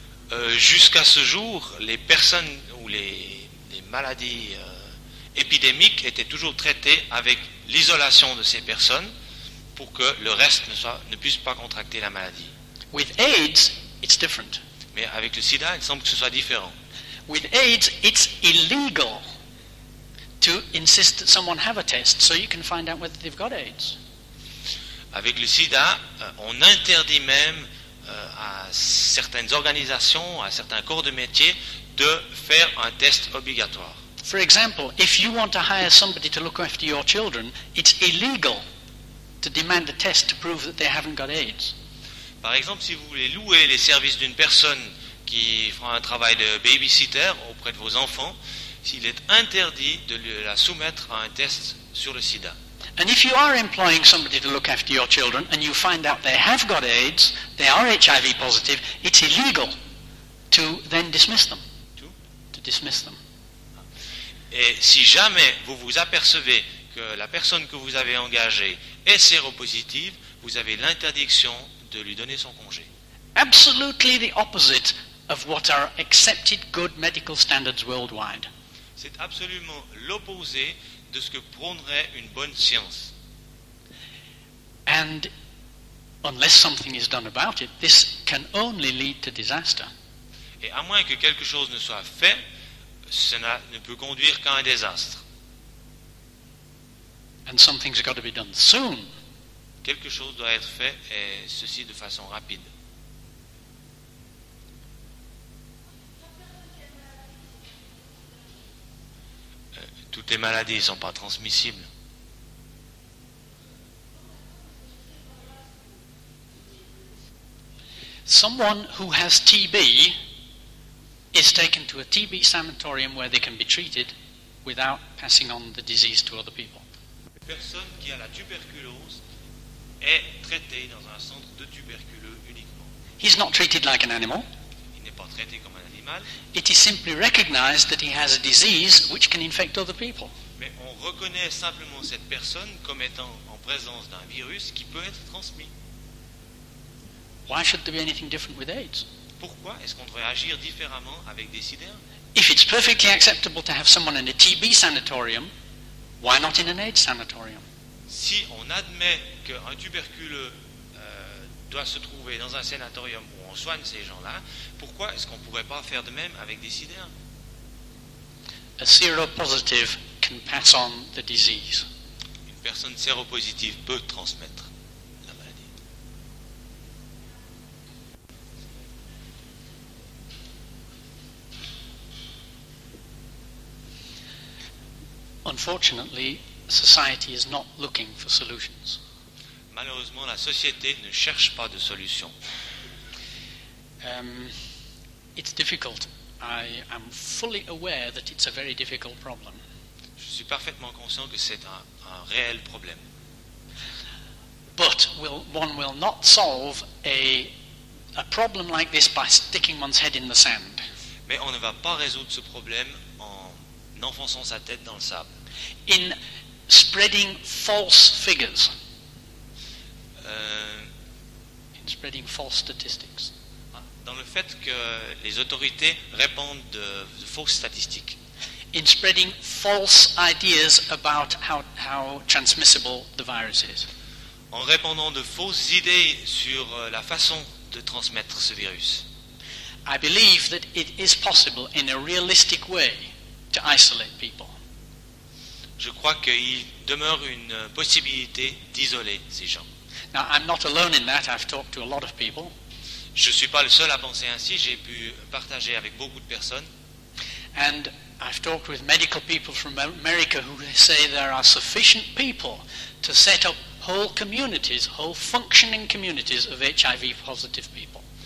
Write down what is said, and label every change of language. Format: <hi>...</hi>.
<fr>Jusqu'à ce jour, les personnes ou les maladies épidémiques étaient toujours traitées avec l'isolation de ces personnes pour que le reste ne puisse pas contracter la maladie.</fr> <en>With AIDS, it's different.</en> <fr>Mais avec le sida, il semble que ce soit différent.</fr> <en>With AIDS, it's illegal to insist that someone have a test so you can find out whether they've got AIDS.</en> <fr>Avec le sida, on interdit même à certaines organisations, à certains corps de métier, de faire un test obligatoire.</fr> <en>For example, if you want to hire somebody to look after your children, it's illegal to demand a test to prove that they haven't got AIDS.</en> <fr>Par exemple, si vous voulez louer les services d'une personne qui fera un travail de babysitter auprès de vos enfants, il est interdit de la soumettre à un test sur le sida.</fr> <en>And if you are employing somebody to look after your children and you find out they have got AIDS, they are HIV positive, it's illegal to then dismiss them. To dismiss them.</en> <fr>Et si jamais vous vous apercevez que la personne que vous avez engagée est séropositive, vous avez l'interdiction de lui donner son congé.</fr> <en>Absolutely the opposite of what are accepted good medical standards worldwide.</en> <fr>C'est absolument l'opposé de ce que prônerait une bonne science.</fr> <en>And unless something is done about it, this can only lead to disaster.</en> <fr>Et à moins que quelque chose ne soit fait, cela ne peut conduire qu'à un désastre.</fr> <en>And something's got to be done soon.</en> <fr>Quelque chose doit être fait, et ceci de façon rapide. Toutes les maladies ne sont pas transmissibles.</fr> <en>Someone who has TB is taken to a TB sanatorium where they can be treated without passing on the disease to other people.</en> <fr>Une personne qui a la tuberculose est traitée dans un centre de tuberculeux uniquement.</fr> <en>He's not treated like an animal.</en> <fr>Il n'est pas traité comme un animal.</fr> <en>It is simply recognized that he has a disease which can infect other people.</en> <fr>Mais on reconnaît simplement cette personne comme étant en présence d'un virus qui peut être transmis.</fr> <en>Why should there be anything different with AIDS?</en> <fr>Pourquoi est-ce qu'on devrait agir différemment avec des sida?</fr> <en>If it's perfectly acceptable to have someone in a TB sanatorium, why not in an AIDS sanatorium?</en> <fr>Si on admet qu'un tuberculeux doit se trouver dans un sanatorium où on soigne ces gens-là, pourquoi est-ce qu'on ne pourrait pas faire de même avec des sida?</fr> <en>A séropositive can pass on the disease.</en> <fr>Une personne séropositive peut transmettre.</fr> <en>Unfortunately, society is not looking for solutions.</en> <fr>Malheureusement, la société ne cherche pas de solution.</fr> <en>It's difficult. I am fully aware that it's a very difficult problem.</en> <fr>Je suis parfaitement conscient que c'est un réel problème.</fr> <en>But one will not solve a problem like this by sticking one's head in the sand.</en> <fr>Mais on ne va pas résoudre ce problème en enfonçant sa tête dans le sable.</fr> <en>In spreading false figures. In spreading false statistics.</en> <fr>Dans le fait que les autorités répandent de fausses statistiques.</fr> <en>In spreading false ideas about how transmissible the virus is.</en> <fr>En répandant de fausses idées sur la façon de transmettre ce virus.</fr> <en>I believe that it is possible in a realistic way to isolate people.</en> <fr>Je crois qu'il demeure une possibilité d'isoler ces gens.</fr> <en>Now, I'm not alone in that. I've talked to a lot of people.</en> <fr>Je ne suis pas le seul à penser ainsi. J'ai pu partager avec beaucoup de personnes.</fr> <en>And I've talked with medical people from America who say there are sufficient people to set up whole communities, whole functioning communities of HIV-positive people.</en>